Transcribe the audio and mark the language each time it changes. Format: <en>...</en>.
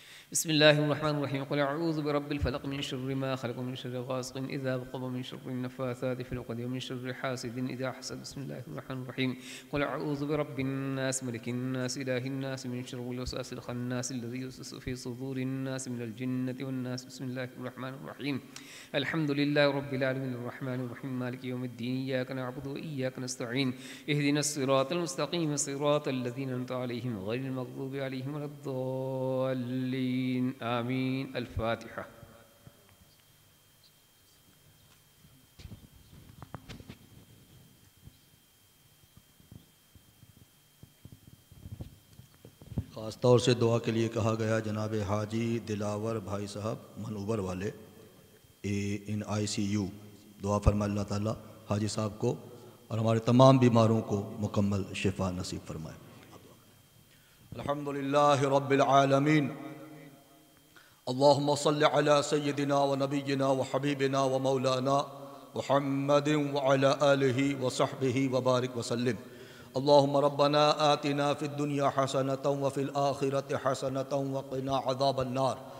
<ar>بسم الله الرحمن الرحيم قل اعوذ برب الفلق من شر ما خلق من شر غاسق اذا وقب من شر النفاثات في العقد ومن شر حاسد اذا حسد بسم الله الرحمن الرحيم قل اعوذ برب الناس ملك الناس اله الناس من شر الوسواس الخناس الذي يوسوس في صدور الناس من الجنة والناس بسم الله الرحمن الرحيم الحمد لله رب العالمين الرحمن الرحيم مالك يوم الدين اياك نعبد واياك نستعين اهدنا الصراط المستقيم صراط الذين انعمت عليهم غير المغضوب عليهم ولا الضالين آمین.</ar> <ur>الفاتحہ. خاص طور سے دعا کے لیے کہا گیا جناب حاجی دلاور بھائی صاحب منوبر والے</ur> <en>ان I C U,</en> <ur>دعا فرمائے اللہ تعالیٰ حاجی صاحب کو اور ہمارے تمام بیماروں کو مکمل شفا نصیب فرمائے.</ur> <ar>الحمدللہ رب العالمین، اللهم صل على سيدنا ونبينا وحبيبنا ومولانا محمد وعلى آله وصحبه وبارك وسلم. اللهم ربنا آتنا في الدنيا حسنة وفي الآخرة حسنة وقنا عذاب النار.</ar>